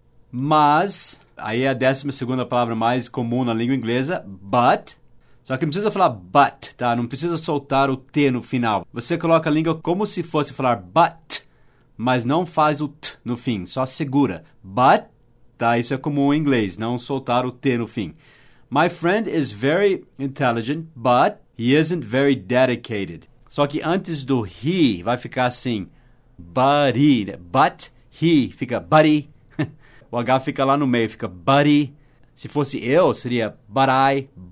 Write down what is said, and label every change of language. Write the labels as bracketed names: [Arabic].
[Portuguese] Mas, aí é a 12ª palavra mais comum na língua inglesa, but. Só que não precisa falar but, tá? Não precisa soltar o T no final. Você coloca a língua como se fosse falar but, mas não faz o T no fim, só segura. But, tá? Isso é comum em inglês, não soltar o T no fim. [English] My friend is very intelligent, but he isn't very dedicated. [Portuguese] Só que antes do he, vai ficar assim, buddy, né? But, he, fica buddy. O H fica lá no meio, fica buddy. Se fosse eu, seria [English] but I.